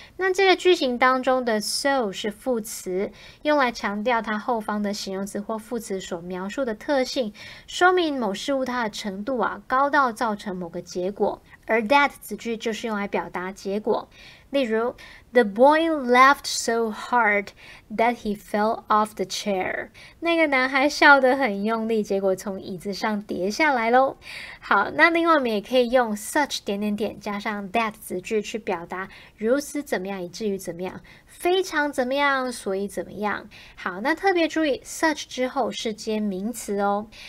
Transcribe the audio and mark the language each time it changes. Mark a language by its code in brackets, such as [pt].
[zh] 那这个句型当中的 so 是副词，用来强调它后方的形容词或副词所描述的特性，说明某事物它的程度啊高到造成某个结果。而 that 子句就是用来表达结果。例如 [en] The boy laughed so hard that he fell off the chair. [zh] 那个男孩笑得很用力，结果从椅子上跌下来咯。好，那另外我们也可以用 such 点点点加上 that 子句去表达如此怎么样，以至于怎么样，非常怎么样，所以怎么样。好，那特别注意 such 之后是接名词哦。